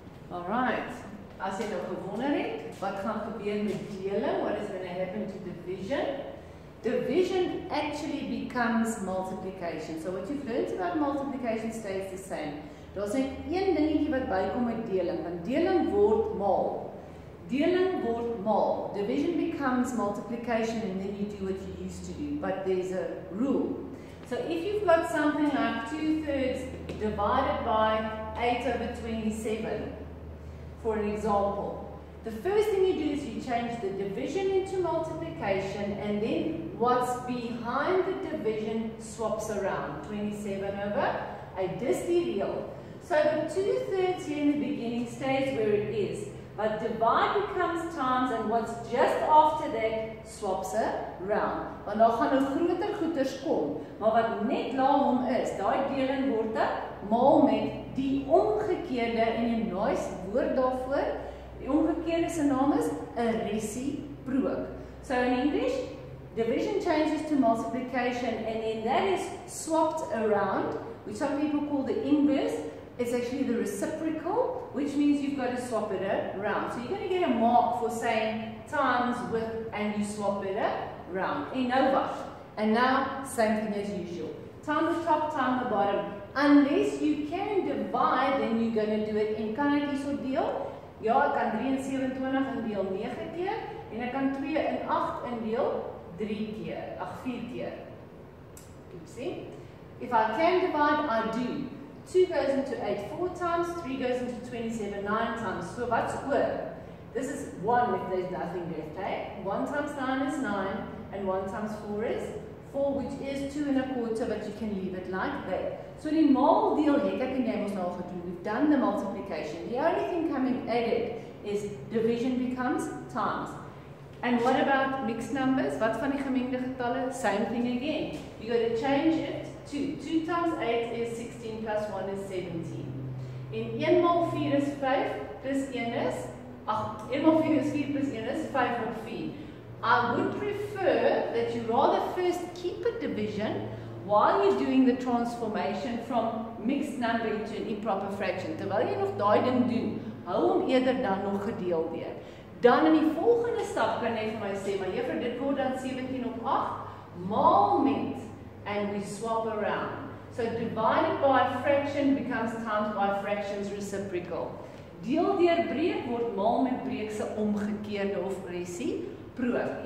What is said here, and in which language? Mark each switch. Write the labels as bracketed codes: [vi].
[en] All right. [af] As jy nou gewonder het, wat gaan gebeur met dele? [en] What is going to happen to division? Division actually becomes multiplication. So what you've learned about multiplication stays the same. [af] Daar is net een dingetjie wat bykom met deling, want deling word maal. Deling word maal. [en] Division becomes multiplication and then you do what you used to do. But there's a rule. So if you've got something like 2/3 divided by 8 over 27, for an example, the first thing you do is you change the division into multiplication and then what's behind the division swaps around. 27 over 8, this deal. So the 2/3 here in the beginning stays where it is. But divide becomes times, and what's just after that swaps around. [af] Want daar gaan nou groter goeders kom. Maar wat net na hom is, daai deling word dan maal met die omgekeerde, en 'n nice woord daarvoor, die omgekeerde se naam is 'n resiprook. [en] So in English, division changes to multiplication, and then that is swapped around, which some people call the inverse. It's actually the reciprocal, which means you've got to swap it around. So you're going to get a mark for saying times with and you swap it around. [af] En nou wat? [en] And now, same thing as usual. Time the top, time the bottom. Unless you can divide, then you're going to do it in [af] kan ek hierso deel? Ja, ek kan 23 in deel 9 keer. En ek kan 2 in 8 in deel 3 keer. Ach, 4 keer. Oopsie. [en] If I can divide, I do. 2 goes into 8 4 times, 3 goes into 27 9 times. So what's oor? This is 1 if there's nothing left, eh? 1 times 9 is 9, and 1 times 4 is 4, which is 2 and a quarter, but you can leave it like that. [af] So die maal deel het ek en jy mos nou al gedoen. [en] We've done the multiplication. The only thing coming added is division becomes times. And what about mixed numbers? [af] Wat van die gemengde getalle? [en] Same thing again. You got to change it. 2 times 8 is 16 plus 1 is 17. [af] En 1 maal 4 is 5 plus 1 is 8. 1 maal 4 is 4 plus 1 is 5 maal 4. [en] I would prefer that you rather first keep a division while you're doing the transformation from mixed number into an improper fraction. [af] Terwyl jy nog daai ding doen, hou hom eerder dan nog gedeel weer. Dan in die volgende stap kan jy vir my sê, maar juffrou, dit word dan 17 op 8 maal met. [en] And we swap around. So divided by fraction becomes times by fraction's reciprocal. [af] Deel deur breek word maal met breek se omgekeerde of resiprook.